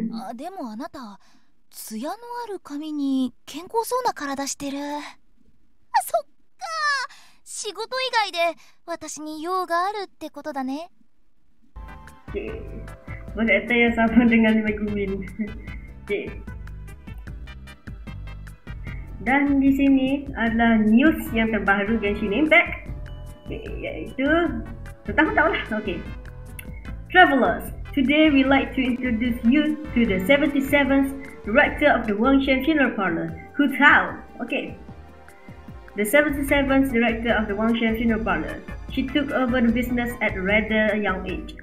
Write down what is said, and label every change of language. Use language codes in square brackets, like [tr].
[ja] あ、でもあなた、ツヤのある髪に健康そうな体してる。あ、そっか。仕事以外で私に用があるってことだね。 Okay. [id] Boleh tanya sama dengan Megumin. Dan di sini adalah news yang terbaru Genshin Impact. [ms] Iaitu tentang HuTao lah. Okay. [en] Travelers, today we like to introduce you to the 77th director of the Wang Sheng Funeral Parlor, HuTao. Okay. The 77th director of the Wang Sheng Funeral Parlor. She took over the business at rather young age.